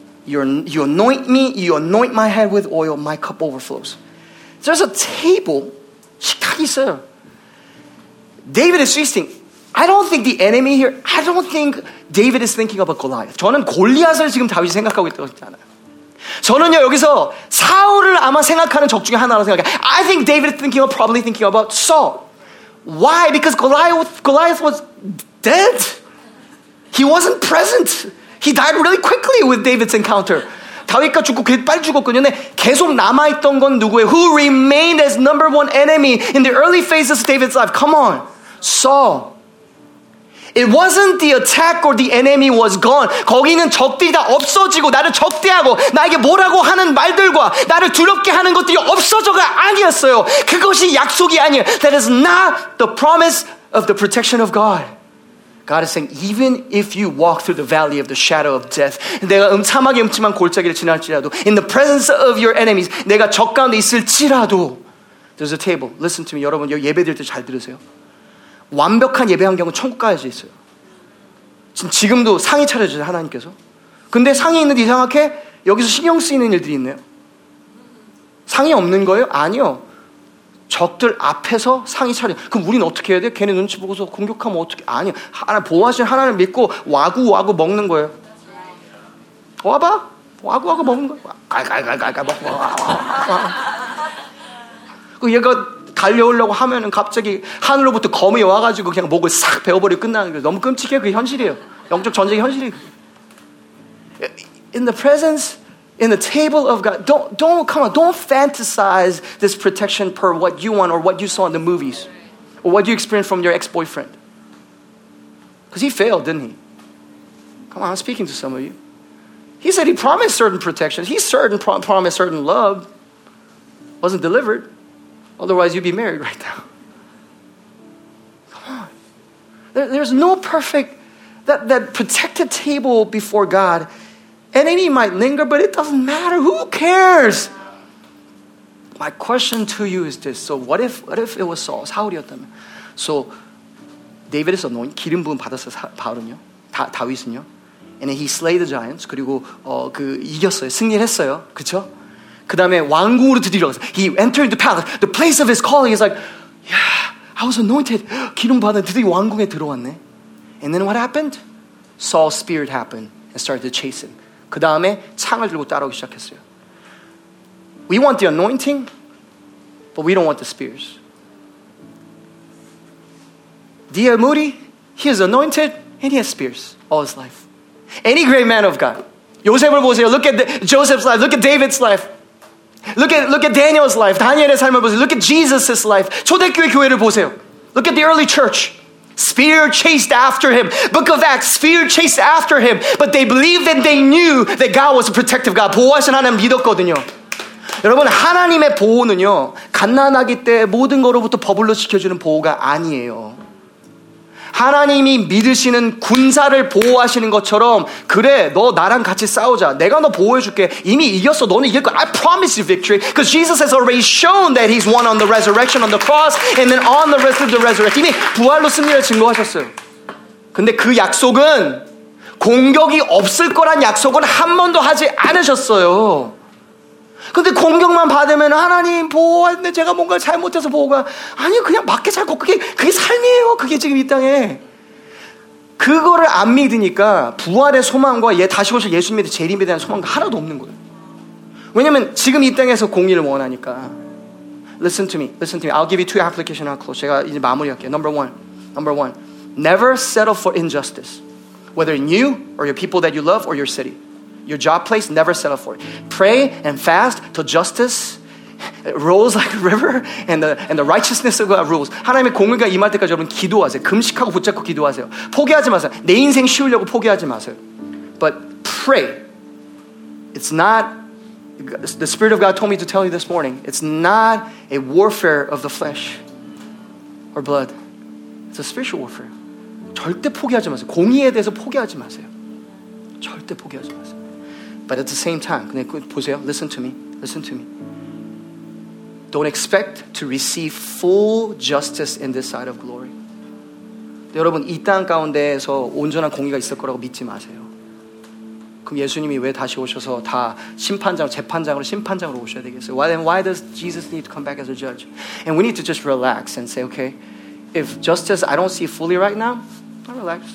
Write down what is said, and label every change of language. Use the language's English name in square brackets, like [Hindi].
[English] You anoint me, you anoint my head with oil, my cup overflows. There's a table. [Korean] 식탁이 있어요. [English] David is feasting. I don't think the enemy here, I don't think David is thinking about Goliath. [Korean] 저는 골리앗을 지금 다윗이 생각하고 있다고 하지 않아요. 저는요, 여기서 사울을 아마 생각하는 적 중에 하나라고 생각해요. [English] I think David is thinking of, probably thinking about Saul. Why? Because Goliath was dead. He wasn't present. He died really quickly with David's encounter. [Korean] 다윗과 죽고 그 빨리 죽었거든요. 근데 계속 남아있던 건 누구예요? [English] Who remained as number one enemy in the early phases of David's life? Come on. Saul. It wasn't the attack or the enemy was gone. [Korean] 거기는 적들이 다 없어지고 나를 적대하고 나에게 뭐라고 하는 말들과 나를 두렵게 하는 것들이 없어져가 아니었어요. 그것이 약속이 아니에요. [English] That is not the promise of the protection of God. God is saying, even if you walk through the valley of the shadow of death, [Korean] 내가 음침하게 음침한 골짜기를 지날지라도, [English] in the presence of your enemies, [Korean] 내가 적 가운데 있을지라도, [English] there's a table. Listen to me, [Korean] 여러분, 여기 예배 드릴 때 잘 들으세요. 완벽한 예배 환경은 천국까지 있어요. 지금도 상이 차려져요, 하나님께서. 근데 상이 있는데 이상하게 여기서 신경 쓰이는 일들이 있네요. 상이 없는 거예요? 아니요. 적들 앞에서 상이 차려. 그럼 우린 어떻게 해야 돼? 걔네 눈치 보고서 공격하면 어떻게? 아니요. 하나 보호하신 하나님 믿고 와구와구 먹는 거예요. 와봐. 와구와구 먹는 거. 갈갈갈갈갈 먹고. 그 얘가 달려오려고 하면은 갑자기 하늘로부터 검이 와가지고 그냥 목을 싹 베어버리고 끝나는 거예요. 너무 끔찍해요. 그게 현실이에요. 영적 전쟁의 현실이에요. [English] In the presence, in the table of God, don't come on, don't fantasize this protection per what you want or what you saw in the movies or what you experienced from your ex-boyfriend. Because he failed, didn't he? Come on, I'm speaking to some of you. He said he promised certain protection. He certain promised certain love. Wasn't delivered. Otherwise, you'd be married right now. Come on. There's no perfect, that protected table before God. Enemy might linger, but it doesn't matter. Who cares? My question to you is this. So what if it was Saul? How would you? So David is anointed. [Korean] 기름 부음 받았어요. 바울은요. 다윗은요. [English] And he slayed the giants. [Korean] 그리고 그 이겼어요. 승리를 했어요. 그렇죠? 그 다음에 왕궁으로 들어갔어요. [English] He entered into palace. The place of his calling. He's like, yeah, I was anointed. [Korean] 기름 받은 드디어 왕궁에 들어왔네. [English] And then what happened? Saul's spirit happened and started to chase him. [Korean] 그 다음에 창을 들고 따라오기 시작했어요. [English] We want the anointing, but we don't want the spears. D.L. Moody, he is anointed and he has spears all his life. Any great man of God. [Korean] 요셉을 보세요. [English] Look at Joseph's life. Look at David's life. Look at Daniel's life. [Korean] 다니엘의 삶을 보세요. [English] Look at Jesus' life. [Korean] 초대교회 교회를 보세요. [English] Look at the early church. Spear chased after him. Book of Acts, spear chased after him. But they believed and they knew that God was a protective God. [Korean] 보호하신 하나님 믿었거든요. 여러분, 하나님의 보호는요, 갓난아기 때 모든 거로부터 버블로 지켜주는 보호가 아니에요. 하나님이 믿으시는 군사를 보호하시는 것처럼, 그래, 너 나랑 같이 싸우자. 내가 너 보호해줄게. 이미 이겼어. 너는 이길 거야. [English] I promise you victory. Because Jesus has already shown that he's won on the resurrection, on the cross, and then on the rest of the resurrection. [Korean] 이미 부활로 승리를 증거하셨어요. 근데 그 약속은 공격이 없을 거란 약속은 한 번도 하지 않으셨어요. 근데 공격만 받으면 하나님 보호하는데 제가 뭔가 잘못해서 보호가 아니요 그냥 맞게 살고 그게 삶이에요. 그게 지금 이 땅에 그거를 안 믿으니까 부활의 소망과 다시 오실 예수님의 재림에 대한 소망도 하나도 없는 거예요. 왜냐면 지금 이 땅에서 공의를 원하니까. [English] Listen to me. I'll give you two applications. I'll close. [Korean] 제가 이제 마무리할게요. [English] Number one. Never settle for injustice. Whether in you or your people that you love or your city. Your job place, never settle for it. Pray and fast till justice rolls like a river and the righteousness of God rules. [Korean] 하나님의 공의가 임할 때까지 여러분 기도하세요. 금식하고 붙잡고 기도하세요. 포기하지 마세요. 내 인생 쉬우려고 포기하지 마세요. [English] But pray. It's not, the Spirit of God told me to tell you this morning, it's not a warfare of the flesh or blood. It's a spiritual warfare. [Korean] 절대 포기하지 마세요. 공의에 대해서 포기하지 마세요. 절대 포기하지 마세요. [English] But at the same time, [Korean] 근데 보세요. [English] Listen to me. Don't expect to receive full justice in this side of glory. [Korean] 여러분, 이 땅 가운데에서 온전한 공의가 있을 거라고 믿지 마세요. 그럼 예수님이 왜 다시 오셔서 다 심판장, 재판장으로 심판장으로 오셔야 되겠어요? [English] Why does Jesus need to come back as a judge? And we need to just relax and say, okay, if justice I don't see fully right now, I relax.